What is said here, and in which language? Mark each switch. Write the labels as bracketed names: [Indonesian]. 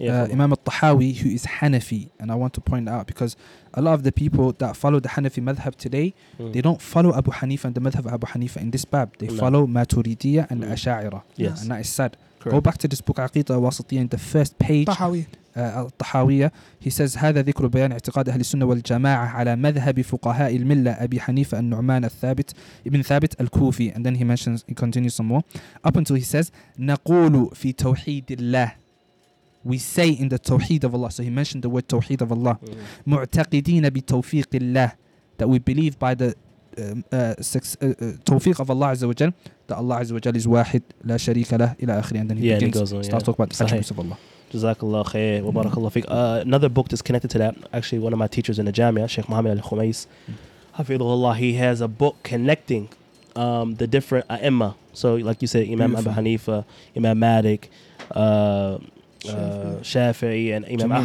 [English] Imam al-Tahawi, who is Hanafi, and I want to point out, because a lot of the people that follow the Hanafi madhab today, they don't follow Abu Hanifa and the madhab of Abu Hanifa in this bab. They follow Maturidiyya and Asha'ira. Yes. And that is sad. Correct. Go back to this book, Aqidah al-Wasitiyya, in the first page. Tahawi. Al-Tahawiyya. He says, [Arabic] هذا ذكر بيان اعتقاد أهل السنة والجماعة على مذهب فقهاء الملة أبي حنيفة النعمان الثابت ابن ثابت الكوفي. [English] And then he continues some more. Up until he says, [Arabic] نقول في توحيد الله. [English] We say in the توحيد of Allah. So he mentioned the word توحيد of Allah. [Arabic] معتقدين بتوفيق الله. [English] That we believe by the توفيق of Allah عز وجل. That Allah عز وجل is [Arabic] واحد لا شريك له إلى آخره. [English] And then he starts talking about the attributes of Allah. [Arabic] Jazakallah khair wa barakallah fiqh. [English] Another book that's connected to that, actually one of my teachers in the Jamia, Sheikh Mohammed Al-Khumais, hafidhullah, he has a book connecting the different a'imma. So like you said, Imam Abu Hanifa, Imam Malik, Shafi'i, and Imam Jameel.